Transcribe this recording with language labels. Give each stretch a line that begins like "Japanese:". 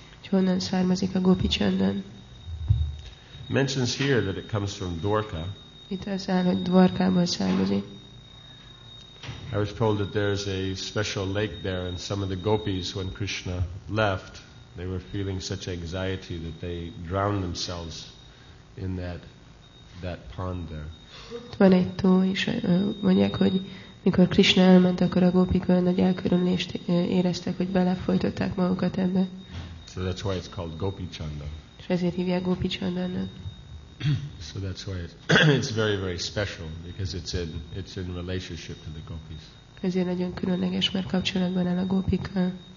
Hungarian: honnan származik a gopi csöndön.
English: Mentions here that it comes from Dvarka.
Hungarian: Itt az áll, hogy Dvarkából származik.
English: I was told that there's a special lake there, and some of the gopis, when Krishna left, they were feeling such anxiety that they drowned themselves in that pond there.
Hungarian: Van egy tó, és mondják, hogy mikor Krishna elment, akkor a gopik olyan nagy elkörömlést éreztek, hogy belefolytották magukat ebbe.
English: So that's why it's called Gopi Chanda.
Hungarian: És ezért hívják Gopi Chandának.
English: So that's why it's very, very special, because it's in relationship to the gopis.
Hungarian: Ezért nagyon különleges, mert kapcsolatban áll a gopikkal.